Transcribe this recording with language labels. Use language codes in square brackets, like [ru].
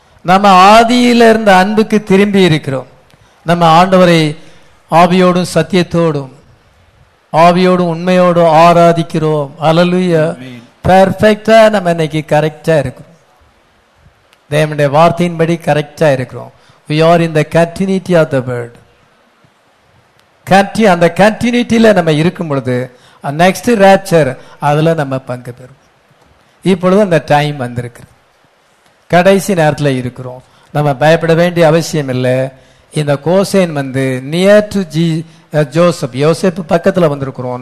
[ta] நம்ம ஆதியில இருந்த அன்புக்கு திரும்பி இருக்கிறோம். நம்ம ஆண்டவரை ஆவியோடும் சத்தியத்தோடும் ஆவியோடும் உண்மையோடும் ஆராதிக்கிறோம். அல்லேலூயா. பெர்ஃபெக்டா நம்ம இன்னைக்கு கரெக்டா இருக்கிறோம். தேவனுடைய வார்த்தையின்படி கரெக்டா இருக்கிறோம். [en] We are in the continuity of the word. [ta] அந்த கண்டினியூட்டியில நம்ம இருக்கும் பொழுது நெக்ஸ்ட் ரேப்சர் அதுல நம்ம பங்கு பெறுவோம். இப்பொழுது அந்த டைம் வந்திருக்கு, கடைசி நேரத்தில் இருக்கிறோம். நம்ம பயப்பட வேண்டிய அவசியம் இல்லை. இந்த கோசேன் வந்து நியர் டு ஜோசப், யோசேப் பக்கத்தில் வந்திருக்கிறோம்.